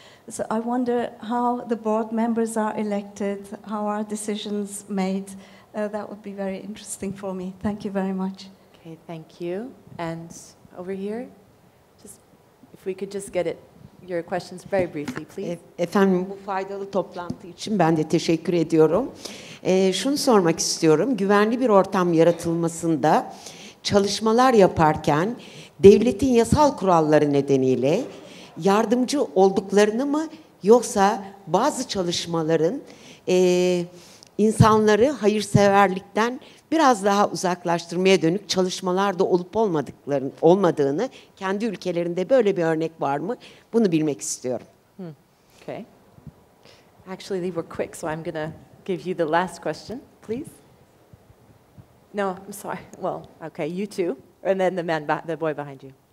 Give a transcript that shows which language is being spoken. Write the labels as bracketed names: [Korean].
[English] So I wonder how the board members are elected, how are decisions made. That would be very interesting for me. Thank you very much. Okay, thank you. And over here, just if we could just get it, your questions very briefly, please. [Turkish] Efendim, bu faydalı toplantı için ben de teşekkür ediyorum. Şunu sormak istiyorum. Güvenli bir ortam yaratılmasında çalışmalar yaparken devletin yasal kuralları nedeniyle yardımcı olduklarını mı, yoksa bazı çalışmaların insanları hayırseverlikten biraz daha uzaklaştırmaya dönük çalışmalarda olup olmadığını, kendi ülkelerinde böyle bir örnek var mı, bunu bilmek istiyorum. [English] Okay. Actually, they were quick, so I'm going to give you the last question, please. No, I'm sorry. Well, okay, you too, and then the man, the boy behind you.